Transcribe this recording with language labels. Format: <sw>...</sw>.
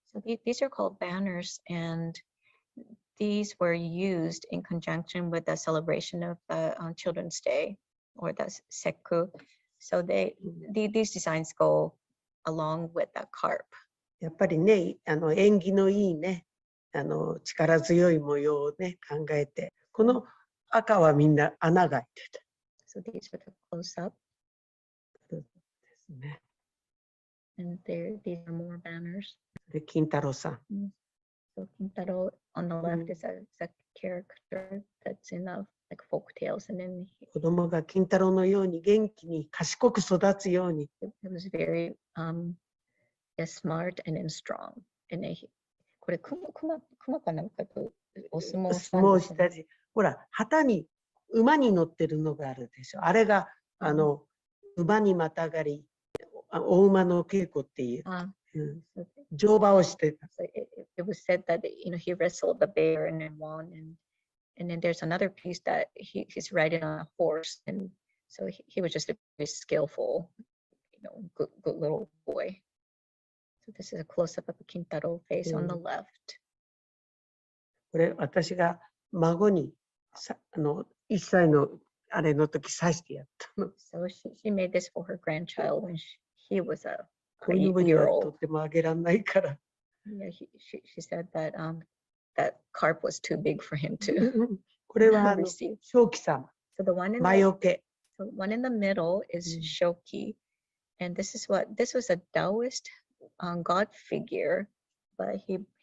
<en>So these are called banners, and these were used in conjunction with the celebration of the Children's Day, or the Seku. So these designs go along with the carp.</en> <ja>やっぱりね、あの、縁起のいいね、あの、力強い模様をね、考えて、この赤はみんな穴が開いてた。</ja> <en>So these are the close-up.</en> <ja>ですね。</ja> <en>And these are more banners.</en> <ja>で、金太郎さん。</ja> <en>So 金太郎 on the left is a character that's in a like folk tales, and then</en> <ja>子供が金太郎のように元気に賢く育つように。</ja> <en>It was very smart and then strong. And then</en> <ja>これ熊かなんかとお相撲さん。相撲したち。ほら、旗に。馬に乗ってるのがあるでしょ。あれが、あの、馬にまたがり、大馬の稽古っていう。乗馬をしてた。</ja> <en>It was said that, you know, he wrestled the bear and then won. And then there's another piece that he's riding on a horse. And so he was just a very skillful, you know, good little boy. So this is a close-up of Kintaro face on the left.</en> <ja>これ、私が孫に、あの、1歳のあれの時刺してやったの。</ja> <en>So she made this for her grandchild when he was a year old.</en> <ja>とってもあげらんないから。</ja> <en>Yeah, she said that that carp was too big for him to.</en> <ja>これは Shoki様。</ja> <en>So the one in the middle. So one in the middle is Shoki, and this was a Taoist god figure, but he</en>